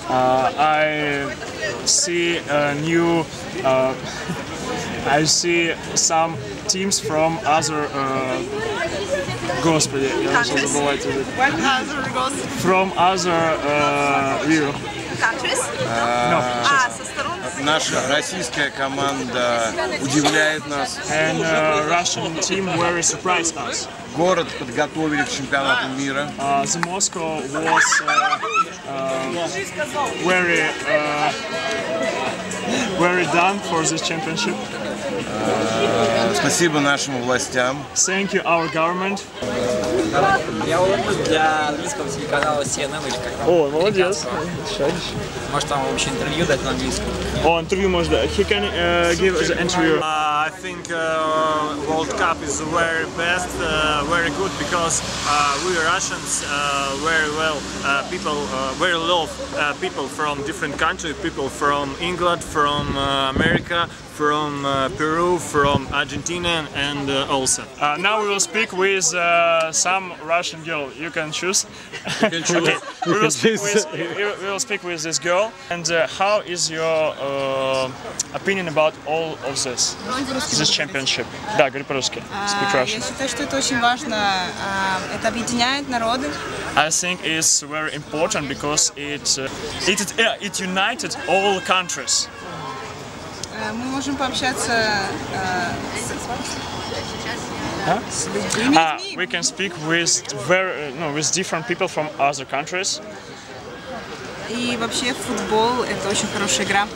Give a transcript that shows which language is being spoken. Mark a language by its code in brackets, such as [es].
[en] I see some teams from other [ru] господи, я уже забываю тебе. [en] From other view. Countries? No. [ru] Со сторон. наша российская команда удивляет нас. [en] And Russian team very surprised us. [ru] Город подготовили к чемпионату мира. [en] The Moscow was very very done for this championship. [ru] Спасибо нашим властям. [en] Thank you, our government. [ru] Я улыбнусь для английского телеканала CNN или как-то. О, молодец. Может, там вообще интервью дать на английском? О, интервью можно дать. [en] He can give us an interview. I think World Cup is very best, very good, because we Russians very well people, very love people from different countries, people from England, from America, from Peru, from Argentina, and also. Now we will speak with some Russian girl. You can choose. You can choose. Okay. We will speak with this girl. And how is your opinion about all of this? This championship. [ru] Да, говори по-русски. [en] Speak Russian. [ru] Я считаю, что это очень важно. Это объединяет народы. [en] I think it's very important because it united all countries. [ru] Мы можем пообщаться с другими людьми. [en] We can speak with very with different people from other countries. [ru] И вообще футбол это очень хорошая игра.